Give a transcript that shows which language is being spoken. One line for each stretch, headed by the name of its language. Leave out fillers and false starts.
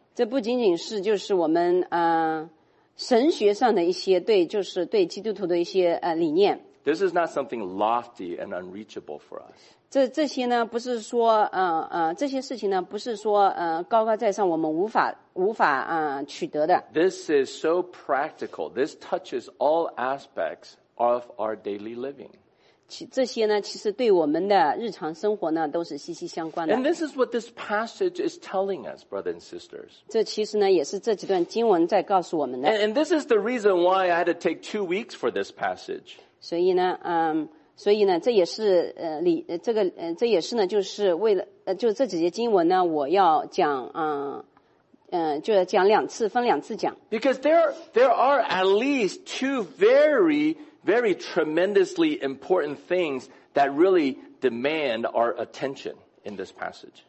Chinese: 这不仅仅是就是我们神学上的一些对就是对基督徒的一些理念。
English: This is not something lofty and unreachable for us.
Chinese: 这些呢不是说这些事情呢不是说高高在上我们无法取得的。
English: This is so practical. This touches all aspects of our daily living.
Chinese: 这些呢其实对我们的日常生活呢都是息息相关的。
English: And this is what this passage is telling us, brothers and sisters.
Chinese: 这其实呢也是这几段经文在告诉我们的。
English: And this is the reason why I had to take 2 weeks for this passage.
Chinese: 所以呢这也是这也是呢就是为了就这几节经文呢我要讲就是讲两次分两次讲。
English: Because there are at least two very tremendously important things that really demand our attention in this passage.